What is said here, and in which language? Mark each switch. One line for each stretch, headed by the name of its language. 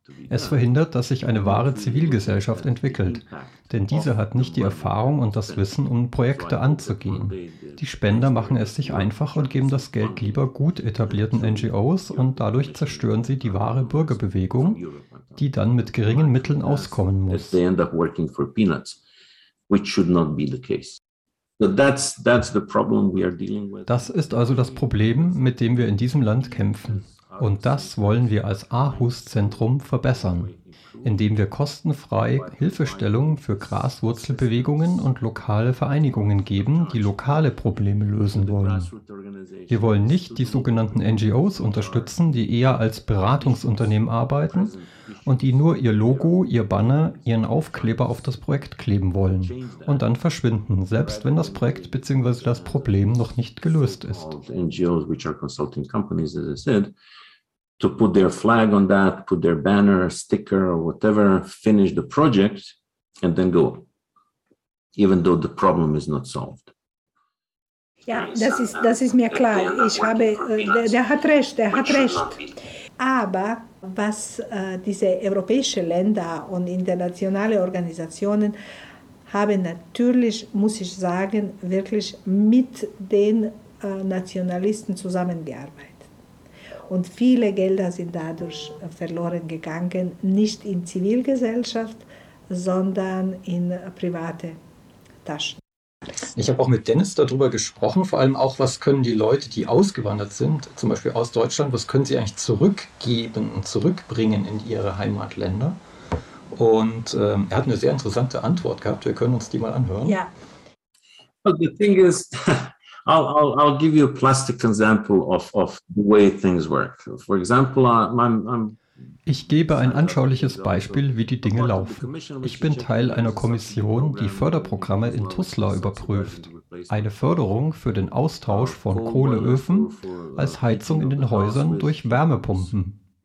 German: Es verhindert, dass sich eine wahre Zivilgesellschaft entwickelt, denn diese hat nicht die Erfahrung und das Wissen, um Projekte anzugehen. Die Spender machen es sich einfach und geben das Geld lieber gut etablierten NGOs und dadurch zerstören sie die wahre Bürgerbewegung, die dann mit geringen Mitteln auskommen muss.
English: They end up working for peanuts, which should not be the case.
German: Das ist also das Problem, mit dem wir in diesem Land kämpfen. Und das wollen wir als Aarhus-Zentrum verbessern, indem wir kostenfrei Hilfestellungen für Graswurzelbewegungen und lokale Vereinigungen geben, die lokale Probleme lösen wollen. Wir wollen nicht die sogenannten NGOs unterstützen, die eher als Beratungsunternehmen arbeiten und die nur ihr Logo, ihr Banner, ihren Aufkleber auf das Projekt kleben wollen und dann verschwinden, selbst wenn das Projekt bzw. das Problem noch nicht gelöst ist.
English: NGOs, which are consulting companies, as I said, to put their flag on that, put their banner, sticker or whatever, finish the project and then go, even though the problem is not solved.
German: Ja, das ist mir klar. Ich habe, der hat recht. Aber was diese europäischen Länder und internationale Organisationen haben, natürlich, muss ich sagen, wirklich mit den Nationalisten zusammengearbeitet. Und viele Gelder sind dadurch verloren gegangen, nicht in Zivilgesellschaft, sondern in private Taschen. Ich habe auch mit Dennis darüber gesprochen, vor allem auch, was können die Leute, die ausgewandert sind, zum Beispiel aus Deutschland, was können sie eigentlich zurückgeben und zurückbringen in ihre Heimatländer? Und er hat eine sehr interessante Antwort gehabt, wir können uns die mal anhören. Ja.
English: But the thing is, I'll give you a plastic example of the way things work. For example,
German: Ich gebe ein anschauliches Beispiel, wie die Dinge laufen. Ich bin Teil einer Kommission, die Förderprogramme in Tuzla überprüft. Eine Förderung für den Austausch von Kohleöfen als Heizung in den Häusern durch Wärmepumpen.